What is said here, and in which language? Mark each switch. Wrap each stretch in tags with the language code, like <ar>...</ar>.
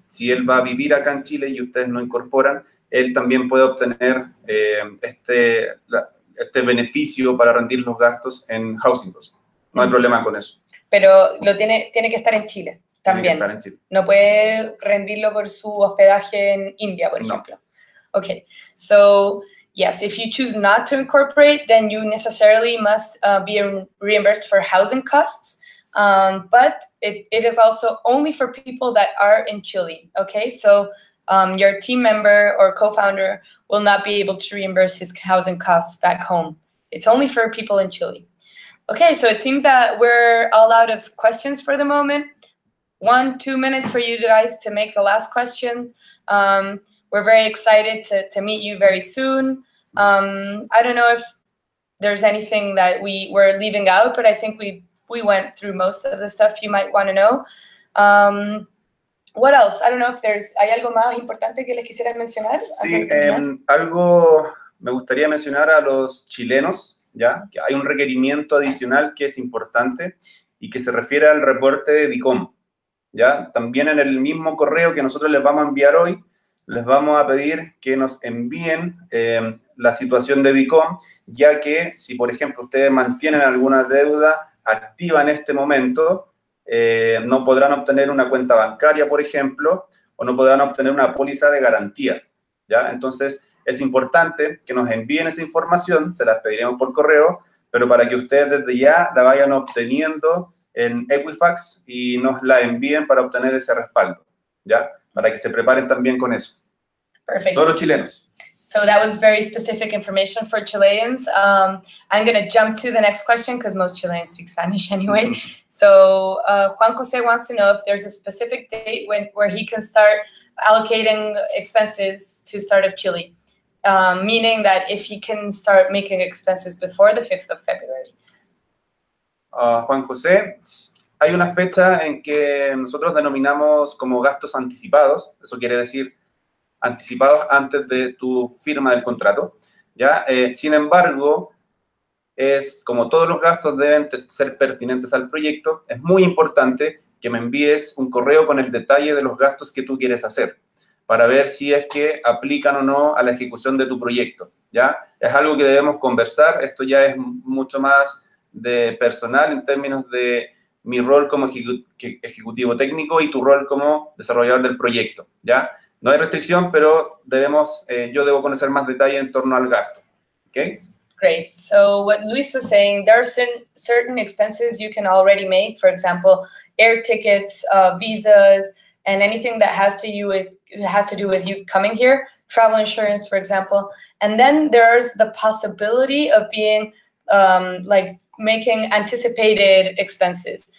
<es>Si él va a vivir acá en Chile y ustedes no incorporan, él también puede obtener este beneficio para rendir los gastos en</es> <en>housing costs.</en> <es>No hay problema con eso. Pero lo tiene que estar en Chile también. Tiene que estar en Chile. No puede rendirlo por su hospedaje en India, por ejemplo.</es> <en>Okay. So, yes, if you choose not to incorporate, then you necessarily must be reimbursed for housing costs. But it is also only for people that are in Chile, okay? So, your team member or co-founder will not be able to reimburse his housing costs back home. It's only for people in Chile. Okay, so it seems that we're all out of questions for the moment. 1-2 minutes for you guys to make the last questions. We're very excited to meet you very soon. I don't know if there's anything that we were leaving out, but I think we went through most of the stuff you might want to know. What else? I don't know if there's...</en> <es>¿Hay algo más importante que les quisiera mencionar? Sí, algo me gustaría mencionar a los chilenos. ¿Ya? Que hay un requerimiento adicional que es importante y que se refiere al reporte de DICOM. ¿ya? También en el mismo correo que nosotros les vamos a enviar hoy, les vamos a pedir que nos envíen la situación de Bicom, ya que si, por ejemplo, ustedes mantienen alguna deuda activa en este momento, no podrán obtener una cuenta bancaria, por ejemplo, o no podrán obtener una póliza de garantía, ¿ya? Entonces, es importante que nos envíen esa información, se las pediremos por correo, pero para que ustedes desde ya la vayan obteniendo en Equifax y nos la envíen para obtener ese respaldo, ¿ya? Para que se preparen también con eso.</es> <en>Perfect.</en> <es>Solo chilenos.</es> <en>So that was very specific information for Chileans. I'm going to jump to the next question because most Chileans speak Spanish anyway. So Juan Jose wants to know if there's a specific date where he can start allocating expenses to Startup Chile, meaning that if he can start making expenses before the 5th of February.</en> <es>Juan Jose, hay una fecha en que nosotros denominamos como gastos anticipados. Eso quiere decir anticipados antes de tu firma del contrato, ¿ya? Sin embargo, es como todos los gastos deben ser pertinentes al proyecto, es muy importante que me envíes un correo con el detalle de los gastos que tú quieres hacer para ver si es que aplican o no a la ejecución de tu proyecto, ¿ya? Es algo que debemos conversar. Esto ya es mucho más de personal en términos de mi rol como ejecutivo técnico y tu rol como desarrollador del proyecto, ¿ya? No hay restricción, pero debemos, yo debo conocer más detalle en torno al gasto, ¿okay?</es> <en>Great. So what Luis was saying, there are certain expenses you can already make, for example, air tickets, visas, and anything that has to do with you coming here, travel insurance, for example. And then there's the possibility of being like making anticipated expenses.</en>